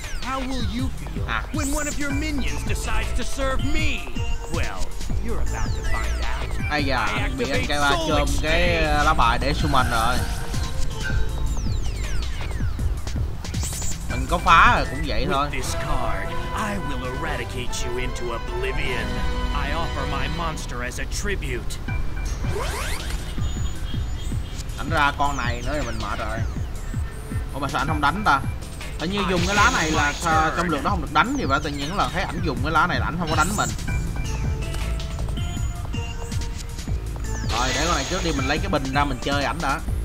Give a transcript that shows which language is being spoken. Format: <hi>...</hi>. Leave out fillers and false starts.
<en>How will you feel when one of your minions decides to serve me? Well, you're about to find out.</en> <vi>Ây da, bị anh K3 chôm cái lá bài để summon rồi. Mình có phá rồi cũng vậy thôi.</vi> <en>This card, I will eradicate you into oblivion. I offer my monster as a tribute.</en> <vi>Đánh ra con này nữa thì mình mệt rồi. Ủa mà sao anh không đánh ta? Hình như dùng cái lá này là trong lượt đó không được đánh thì phải. Tự nhiên là thấy ảnh dùng cái lá này là ảnh không có đánh mình. Rồi để con này trước đi, mình lấy cái bình ra mình chơi ảnh đã.</vi>